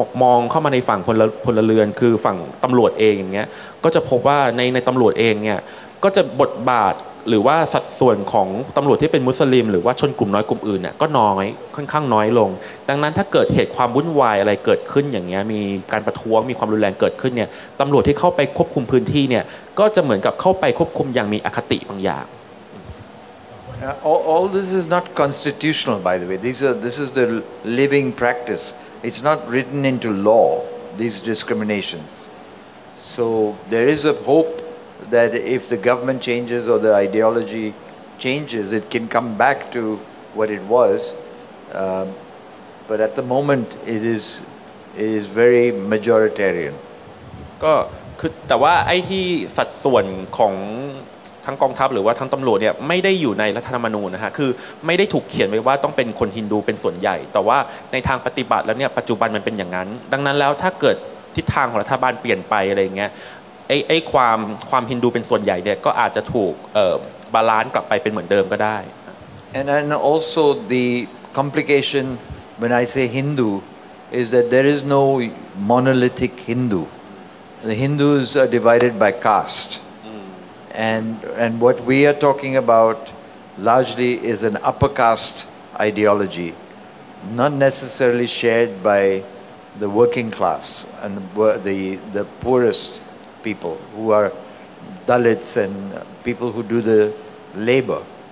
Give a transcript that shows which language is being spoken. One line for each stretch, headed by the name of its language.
Thai: มองเข้ามาในฝั่งพลเรือนคือฝั่งตำรวจเองอย่างเงี้ยก็จะพบว่าในตำรวจเองเนี่ยก็จะบทบาทหรือว่าสัดส่วนของตำรวจที่เป็นมุสลิมหรือว่าชนกลุ่มน้อยกลุ่มอื่นเนี่ยก็น้อยค่อนข้างน้อยลงดังนั้นถ้าเกิดเหตุความวุ่นวายอะไรเกิดขึ้นอย่างเงี้ยมีการประท้วงมีความรุนแรงเกิดขึ้นเนี่ยตำรวจที่เข้าไปควบคุมพื้นที่เนี่ยก็จะเหมือนกับเข้าไปควบคุมอย่างมีอคติบางอย่าง
English: All this is not constitutional by the way. This is the living practice. It's not written into law, these discriminations. So there is a hopeThat if the government changes or the ideology changes, it can come back to what it was. But at the moment, it is very majoritarian.
Thai: ก็คือแต่ว่าไอ้ที่สัดส่วนของทั้งกองทัพหรือว่าทั้งตำรวจเนี่ยไม่ได้อยู่ในรัฐธรรมนูญนะฮะคือไม่ได้ถูกเขียนไว้ว่าต้องเป็นคนฮินดูเป็นส่วนใหญ่แต่ว่าในทางปฏิบัติแล้วเนี่ยปัจจุบันมันเป็นอย่างนั้นดังนั้นแล้วถ้าเกิดทิศทางของรัฐบาลเปลี่ยนไปอะไรเงี้ยไอ้ความฮินดูเป็นส่วนใหญ่เนี่ยก็อาจจะถูกบาลานซ์กลับไปเป็นเหมือนเดิมก็ได้
English: And then also the complication when I say Hindu is that there is no monolithic Hindu. The Hindus are divided by caste. And what we are talking about largely is an upper caste ideology, not necessarily shared by the working class and the poorestpeople who are Dalits and people who do the labor.